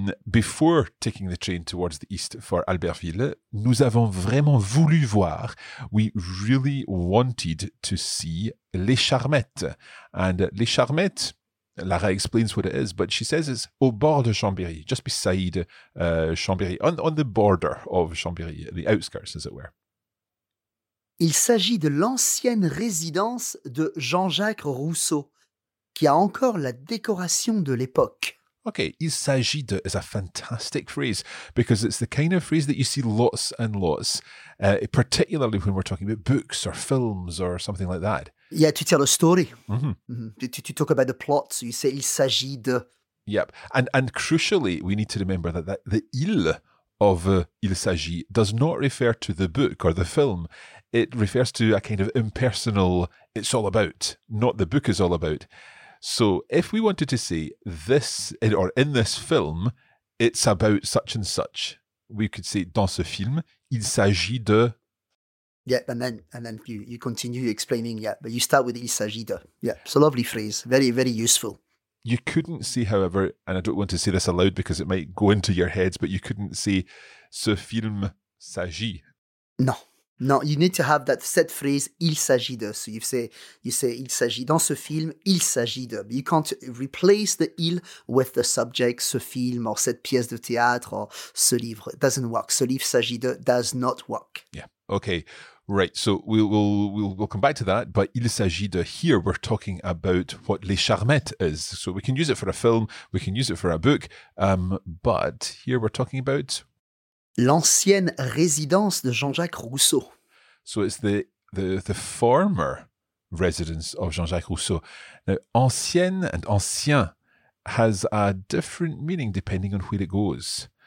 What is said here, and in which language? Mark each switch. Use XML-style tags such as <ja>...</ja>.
<en>Before taking the train towards the east for Albertville,</en> <fr>nous avons vraiment voulu voir,</fr> <en>we really wanted to see Les Charmettes. And Les Charmettes, Lara explains what it is, but she says it's</en> <fr>au bord de Chambéry,</fr> <en>just beside Chambéry, on the border of Chambéry, the outskirts, as it were.</en> <fr>Il s'agit de l'ancienne résidence de Jean-Jacques Rousseau, qui a encore la décoration de l'époque.</fr> <en>Okay,</en> <fr>il s'agit de</fr> <en>is a fantastic phrase because it's the kind of phrase that you see lots and lots, particularly when we're talking about books or films or something like that. Yeah, to tell a story. Mm-hmm. Mm-hmm. To talk about the plot, so you say</en> <fr>il s'agit de.</fr> <en>Yep, and crucially, we need to remember that the il of</en> <fr>il s'agit</fr> <en>does not refer to the book or the film. It refers to a kind of impersonal, it's all about, not the book is all about. So if we wanted to say this, or in this film, it's about such and such, we could say,</en> <fr>dans ce film, il s'agit de...</fr> <en>Yeah, and then you continue explaining, yeah, but you start with</en> <fr>il s'agit de.</fr> <en>Yeah, it's a lovely phrase, very, very useful. You couldn't say, however, and I don't want to say this aloud because it might go into your heads, but you couldn't say,</en> <fr>ce film s'agit.</fr> <en>No. No, you need to have that set phrase,</en> <fr>il s'agit de.</fr> <en>So you say,</en> <fr>il s'agit, dans ce film, il s'agit de.</fr> <en>You can't replace the il with the subject, ce film, or</en> <fr>cette pièce de théâtre,</fr> <en>or ce livre. It doesn't work.</en> <fr>Ce livre s'agit de</fr> <en>does not work. Yeah, okay, right. So we'll come back to that, but</en> <fr>il s'agit de,</fr> <en>here we're talking about what Les Charmettes is. So we can use it for a film, we can use it for a book, but here we're talking about...</en> <fr>L'ancienne résidence de Jean-Jacques Rousseau.</fr> <en>So it's the former residence of Jean-Jacques Rousseau. Now, ancienne and ancien has a different meaning depending on where it goes.</en>